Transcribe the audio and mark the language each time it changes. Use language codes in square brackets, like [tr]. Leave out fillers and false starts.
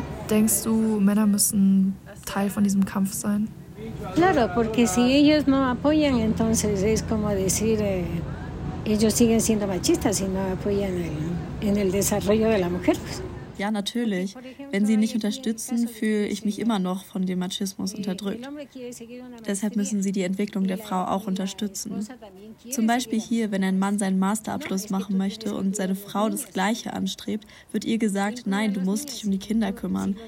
[de] Denkst du, Männer müssen Teil von diesem Kampf sein? [es] Claro, porque si ellos no apoyan, entonces es como decir, ellos siguen siendo machistas y no apoyan en el desarrollo de la mujer. [de] Ja, natürlich. Wenn sie nicht unterstützen, fühle ich mich immer noch von dem Machismus unterdrückt. Deshalb müssen sie die Entwicklung der Frau auch unterstützen. Zum Beispiel hier, wenn ein Mann seinen Masterabschluss machen möchte und seine Frau das Gleiche anstrebt, wird ihr gesagt, nein, du musst dich um die Kinder kümmern.